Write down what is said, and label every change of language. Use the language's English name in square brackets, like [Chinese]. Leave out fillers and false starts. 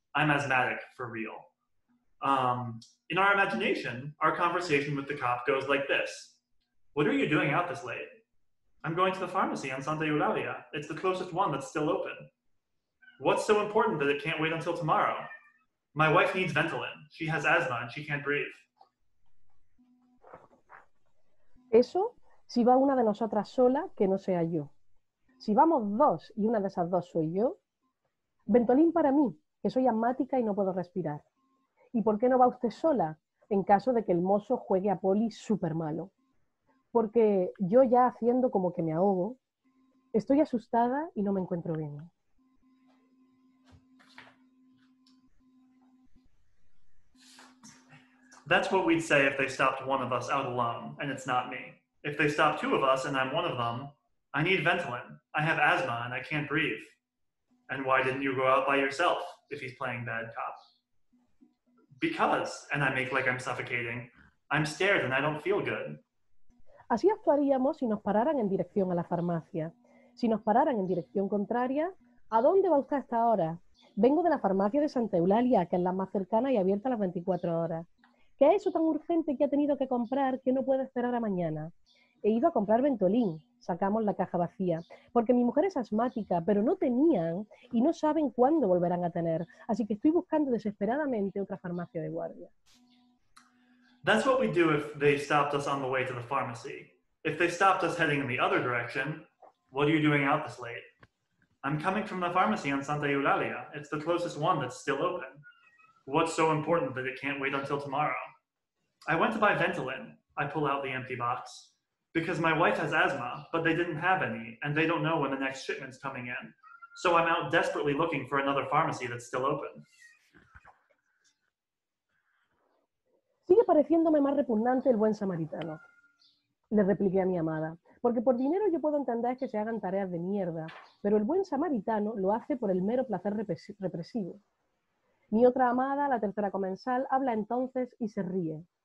[English] I'm asthmatic, for real. In our imagination, our conversation with the cop goes like this. What are you doing out this late? I'm going to the pharmacy on Santa Eulalia. It's the closest one that's still open. What's so important that it can't wait until tomorrow? My wife needs Ventolin. She has asthma and she can't breathe. [Spanish] Eso, si va una de nosotras sola, que no sea yo. Si vamos dos y una de esas dos soy yo, Ventolin para mí, que soy asmática y no puedo respirar. ¿Y por qué no va usted sola en caso de que el mozo juegue a poli súper malo? Porque yo ya haciendo como que me ahogo, estoy asustada y no me encuentro bien. [English] That's what we'd say if they stopped one of us out alone, and it's not me. If they stop two of us and I'm one of them, I need Ventolin. I have asthma and I can't breathe. And why didn't you go out by yourself if he's playing bad cop? Because, and I make like I'm suffocating, I'm scared and I don't feel good. [Spanish] Así actuaríamos si nos pararan en dirección a la farmacia. Si nos pararan en dirección contraria, ¿a dónde va usted a esta hora? Vengo de la farmacia de Santa Eulalia, que es la más cercana y abierta a las 24 horas. ¿Qué es eso tan urgente que ha tenido que comprar que no puede esperar a mañana? He ido a comprar Ventolin, sacamos la caja vacía, porque mi mujer es asmática, pero no tenían y no saben cuándo volverán a tener, así que estoy buscando desesperadamente otra farmacia de guardia. [English] That's what we do if they stopped us on the way to the pharmacy. If they stopped us heading in the other direction, what are you doing out this late? I'm coming from the pharmacy on Santa Eulalia. It's the closest one that's still open. What's so important that it can't wait until tomorrow? I went to buy Ventolin. I pull out the empty box. Because my wife has asthma, but they didn't have any, and they don't know when the next shipment's coming in. So I'm out desperately looking for another pharmacy that's still open. [Spanish] Sigue pareciéndome más repugnante el buen samaritano, le repliqué a mi amada. Porque por dinero yo puedo entender que se hagan tareas de mierda, pero el buen samaritano lo hace por el mero placer represivo. Mi otra amada, la tercera comensal, habla entonces y se ríe.